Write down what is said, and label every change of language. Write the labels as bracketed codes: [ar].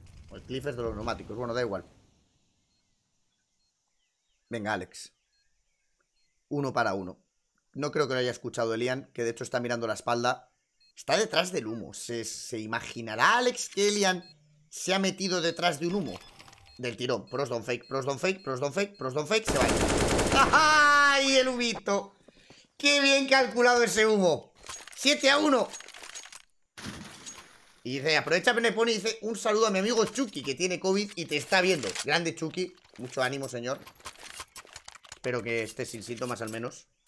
[es] El Cliff es de los neumáticos. Bueno, da igual. Venga, Alex. Uno para uno. No creo que lo haya escuchado Elian, que de hecho está mirando la espalda. Está detrás del humo. ¿Se imaginará Alex que Elian se ha metido detrás de un humo? Del tirón. [en] Pros don't fake, pros don't fake, pros don't fake, pros don't fake. [es] Se va. ¡Ay, el humito! ¡Qué bien calculado ese humo! ¡7-1! Y dice, aprovecha Penepone y dice, un saludo a mi amigo Chucky, que tiene COVID y te está viendo. Grande Chucky, mucho ánimo, señor. Espero que esté sin síntomas al menos.